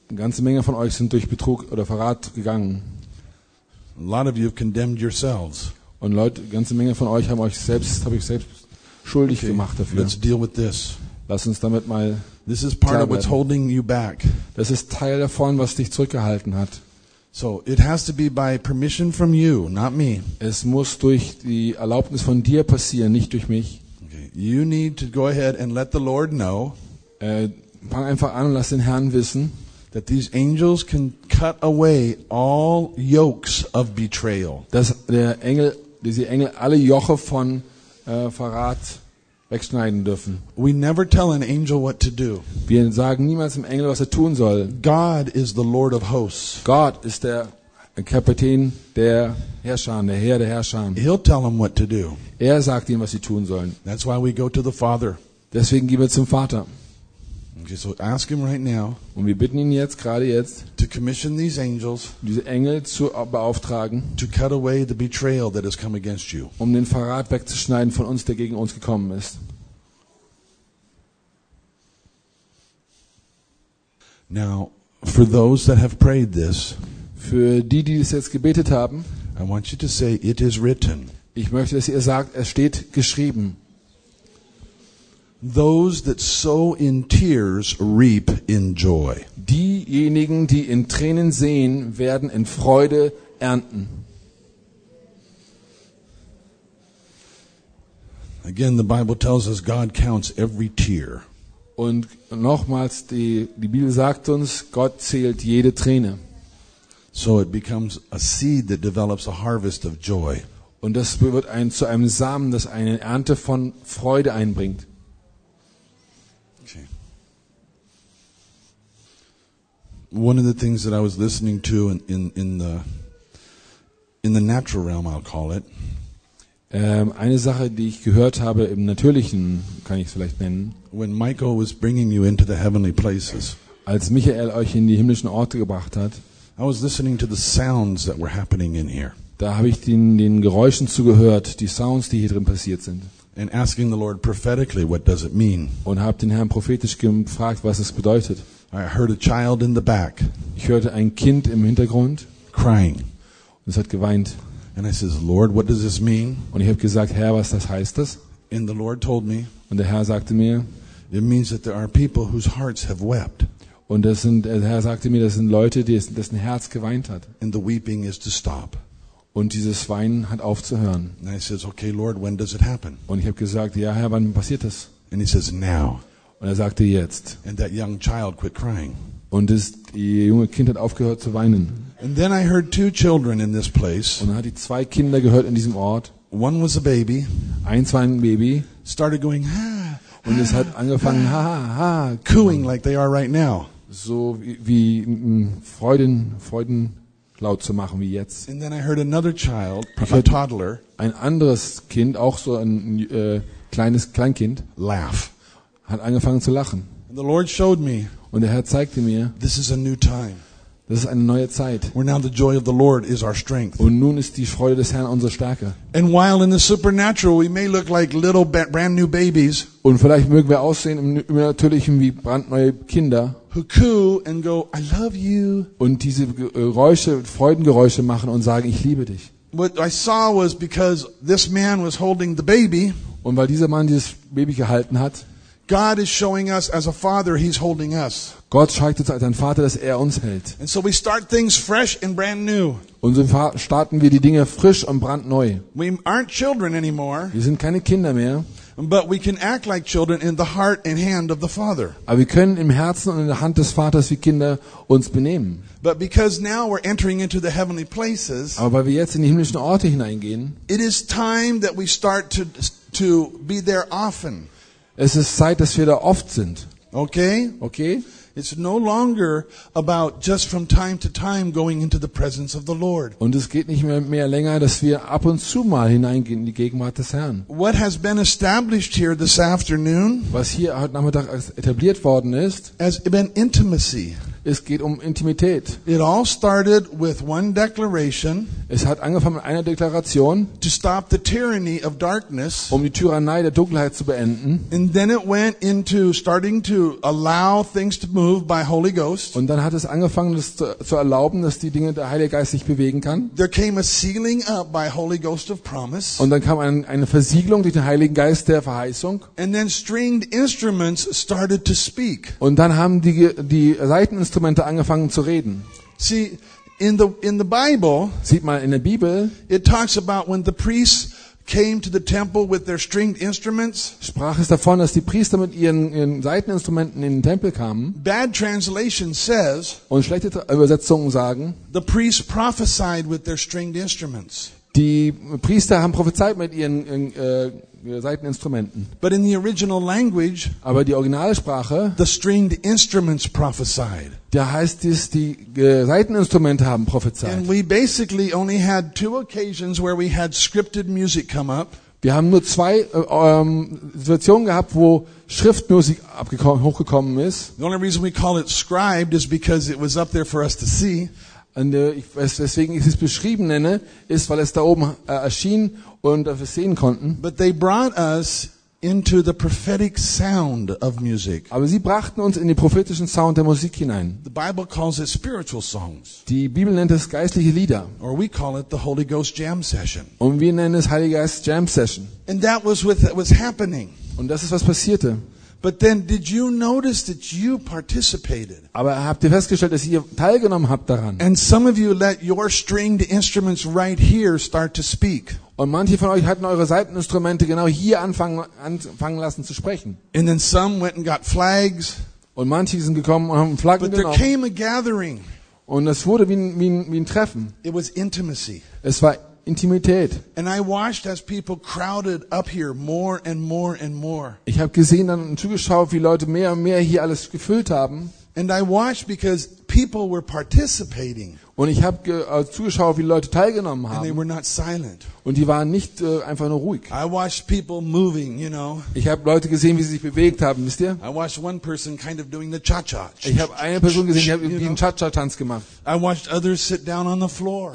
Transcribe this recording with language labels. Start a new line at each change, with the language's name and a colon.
German: Eine ganze Menge von euch sind durch Betrug oder Verrat gegangen.
English: A lot of you have condemned yourselves.
German: Und Leute, eine ganze Menge von euch habe ich selbst schuldig gemacht dafür.
English: Let's deal with this.
German: Lass uns damit mal.
English: This is part of what's holding you back.
German: Das ist Teil davon, was dich zurückgehalten hat.
English: So it has to be by permission from you, not me.
German: Es muss durch die Erlaubnis von dir passieren, nicht durch mich.
English: Okay. You need to go ahead and let the Lord know.
German: Fang einfach an und lass den Herrn wissen,
English: that these angels can cut away all yokes of betrayal.
German: Dass der Engel, diese Engel alle Joche von Verrat wegschneiden dürfen.
English: We never tell an angel what to do.
German: Wir sagen niemals dem Engel, was er tun soll.
English: God is the Lord of hosts.
German: Gott ist der Kapitän der Herrscher, der Herr der Herrscher.
English: He'll tell them what to do.
German: Er sagt ihnen, was sie tun sollen.
English: That's why we go to the Father.
German: Deswegen gehen wir zum Vater.
English: Okay, so ask him right now.
German: Und wir bitten ihn jetzt, gerade jetzt,
English: to commission these angels,
German: diese Engel zu beauftragen,
English: to cut away the betrayal that has come against you,
German: um den Verrat wegzuschneiden von uns, der gegen uns gekommen ist.
English: Now, for those that have prayed this,
German: für die, die es jetzt gebetet haben,
English: I want you to say, it is written.
German: Ich möchte, dass ihr sagt, es steht geschrieben.
English: Those that sow in tears reap in joy.
German: Diejenigen, die in Tränen sehen, werden in Freude ernten.
English: Again, the Bible tells us God counts every tear.
German: Und nochmals, die Bibel sagt uns, Gott zählt jede Träne.
English: So it becomes a seed that develops a harvest of joy.
German: Und das wird zu einem Samen, das eine Ernte von Freude einbringt.
English: Okay. One of the things that I was listening to in the natural realm, I'll call it.
German: Eine Sache, die ich gehört habe im Natürlichen, kann ich es vielleicht nennen.
English: When Michael was bringing you into the heavenly places.
German: Als Michael euch in die himmlischen Orte gebracht hat.
English: I was listening to the sounds that were happening in here.
German: Da habe ich den Geräuschen zugehört, die Sounds, die hier drin passiert sind.
English: And asking the Lord prophetically, what does it mean?
German: Und habe den Herrn prophetisch gefragt, was es bedeutet.
English: I heard a child in the back.
German: Ich hörte ein Kind im Hintergrund.
English: Crying.
German: Und es hat geweint.
English: And I says, Lord, what does this mean?
German: Und ich habe gesagt, Herr, was das heißt das?
English: And the Lord told me.
German: Und der Herr sagte mir.
English: It means that there are people whose hearts have wept.
German: Und das sind, der Herr sagte mir, das sind Leute, dessen Herz geweint hat.
English: And the weeping is to stop.
German: Und dieses Weinen hat aufzuhören.
English: And I says, okay, Lord, when does it happen?
German: Und ich habe gesagt, ja, Herr, wann passiert das?
English: And he says, now.
German: Und er sagte, jetzt.
English: And that young child quit crying.
German: Und das junge Kind hat aufgehört zu weinen.
English: And then I heard two children in this place.
German: Und dann hatte ich zwei Kinder gehört in diesem Ort.
English: One was a baby.
German: Eins war ein Baby.
English: Started going, ha,
German: und es hat angefangen, ha, ha, ha,
English: cooing like they are right now.
German: So wie Freuden laut zu machen wie jetzt.
English: And then I heard another child, a toddler,
German: ein anderes Kind, auch so ein kleines Kleinkind,
English: laugh,
German: hat angefangen zu lachen.
English: And the Lord showed me,
German: und der Herr zeigte mir,
English: this is a new time,
German: das ist eine neue Zeit.
English: Where now the joy of the Lord is our strength,
German: und nun ist die Freude des Herrn unsere Stärke.
English: And while in the supernatural we may look like little brand new babies,
German: und vielleicht mögen wir aussehen im Natürlichen wie brandneue Kinder.
English: And go, I love you.
German: Und diese Geräusche, Freudengeräusche machen und sagen, ich liebe dich.
English: What I saw was because this man was holding the baby.
German: Und weil dieser Mann dieses Baby gehalten hat.
English: God is showing us as a father, he's holding us.
German: Gott zeigt uns als ein Vater, dass er uns hält.
English: And so we start things fresh and brand new.
German: Und so starten wir die Dinge frisch und brandneu.
English: We aren't children anymore.
German: Wir sind keine Kinder mehr.
English: But we can act like children in the heart and hand of the Father.
German: Aber wir können im Herzen und in der Hand des Vaters wie Kinder uns benehmen.
English: But because now we're entering into the heavenly places.
German: Aber weil wir jetzt in die himmlischen Orte hineingehen.
English: It is time that we start to be there often.
German: Es ist Zeit, dass wir da oft sind.
English: Okay?
German: Okay?
English: It's no longer about just from time to time going into the presence of the Lord.
German: Und es geht nicht mehr länger, dass wir ab und zu mal hineingehen in die Gegenwart des Herrn.
English: What has been established here this afternoon?
German: Was hier heute Nachmittag etabliert worden ist?
English: Has been intimacy.
German: Es geht um Intimität.
English: It all started with one declaration.
German: Es hat angefangen mit einer Deklaration.
English: To stop the tyranny of darkness.
German: Um die Tyrannei der Dunkelheit zu beenden.
English: And then it went into starting to allow things to move by Holy Ghost.
German: Und dann hat es angefangen, das zu erlauben, dass die Dinge der Heilige Geist sich bewegen kann.
English: There came a sealing up by Holy Ghost of promise.
German: Und dann kam eine Versiegelung durch den Heiligen Geist der Verheißung.
English: And then stringed instruments started to speak.
German: Und dann haben die Saiten Instrumente angefangen zu reden.
English: See, in the Bible,
German: sieht mal in der Bibel,
English: it talks about when the priests came to the temple with their stringed instruments.
German: Sprach es davon, dass die Priester mit ihren Saiteninstrumenten in den Tempel kamen.
English: Bad translation says.
German: Und schlechte Übersetzungen sagen.
English: The priests prophesied with their stringed instruments.
German: Die Priester haben prophezeit mit ihren Saiteninstrumenten.
English: But in the original language.
German: Aber die Originalsprache.
English: The stringed instruments prophesied.
German: Da heißt es, die Saiteninstrumente haben prophezeit.
English: And we basically only had two occasions where we had scripted music come up.
German: Wir haben nur zwei Situationen gehabt, wo Schriftmusik hochgekommen ist.
English: The only reason we call it scribed is because it was up there for us to see.
German: Und weswegen ich es beschrieben nenne, ist, weil es da oben erschien und wir sehen konnten.
English: But they brought us into the prophetic sound of music.
German: Aber sie brachten uns in den prophetischen Sound der Musik hinein.
English: The Bible calls it spiritual songs.
German: Die Bibel nennt es geistliche Lieder.
English: Or we call it the Holy Ghost jam session.
German: Und wir nennen es Heiliger Geist Jam Session.
English: And that was with that was happening.
German: Und das ist, was passierte.
English: But then did you notice that you participated?
German: Aber habt ihr festgestellt, dass ihr teilgenommen habt daran?
English: And some of you let your stringed instruments right here start to speak.
German: Und manche von euch hatten eure Saiteninstrumente genau hier anfangen lassen zu sprechen.
English: And then some went and got flags.
German: Und manche sind gekommen und haben Flaggen genommen.
English: But there came a gathering.
German: Und es wurde wie ein Treffen.
English: It was intimacy.
German: Es war Intimität.
English: And I watched as people crowded up here more and more and more.
German: Ich habe gesehen und zugeschaut, wie Leute mehr und mehr hier alles gefüllt haben.
English: And I watched because people were participating.
German: Und ich habe zugeschaut, wie Leute teilgenommen haben.
English: And they were not silent.
German: Und die waren nicht einfach nur ruhig.
English: I watched people moving, you know.
German: Ich habe Leute gesehen, wie sie sich bewegt haben, wisst ihr?
English: I watched one person kind of doing the cha-cha.
German: Ich habe eine Person gesehen, die hat irgendwie einen Cha-Cha-Tanz gemacht.
English: I watched others sit down on the floor.